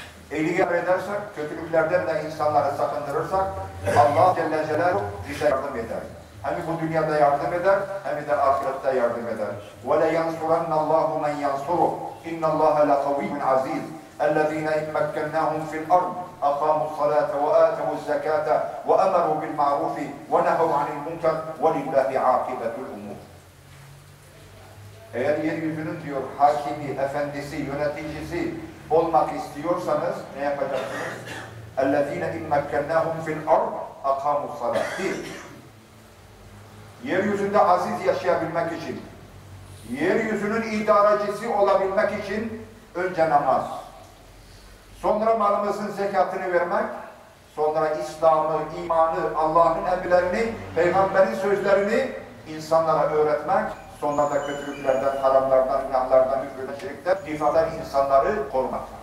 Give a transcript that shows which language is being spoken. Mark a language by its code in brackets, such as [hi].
[tr] tehlikeye edersek, kötülüklerden de insanları sakındırırsak, Allah Celle Celaluhu bize yardım eder. Hem bu dünyada yardım eder, hem de ahirette yardım eder. [ar] وَلَيَنْصُرَنَّ اللّٰهُ مَنْ يَنْصُرُهُ اِنَّ اللّٰهَ لَقَوِيٌّ عَزِيزٌ الذين امكناهم في الارض اقاموا الصلاه واتوا الزكاه وامروا بالمعروف ونهوا عن المنكر ولله عاقبه الامور. [tr] Eğer yeryüzünün diyor hakimi, efendisi, yöneticisi olmak istiyorsanız ne yapacaksınız? [ar] الذين امكناهم في الارض اقاموا الصلاه. [tr] Yeryüzünde aziz yaşayabilmek için, yeryüzünün idarecisi olabilmek için önce namaz, sonra malımızın zekatını vermek, sonra İslam'ı, imanı, Allah'ın emirlerini, Peygamber'in sözlerini insanlara öğretmek, sonra da kötülüklerden, haramlardan, günahlardan, hükürleşerekten difadan insanları korumak.